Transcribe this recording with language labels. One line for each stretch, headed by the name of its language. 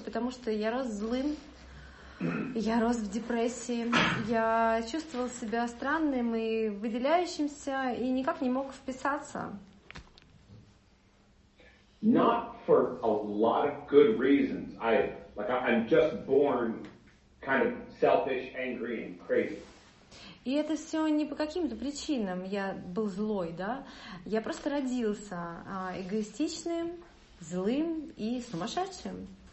Russian: Потому что я рос злым, я рос в депрессии, я чувствовал себя странным и выделяющимся, и никак не мог вписаться.
English: Not for a lot of good reasons. I'm just born kind of selfish, angry, and crazy.
Russian: И это все не по каким-то причинам. Я был злой, да? Я просто родился эгоистичным, злым и сумасшедшим.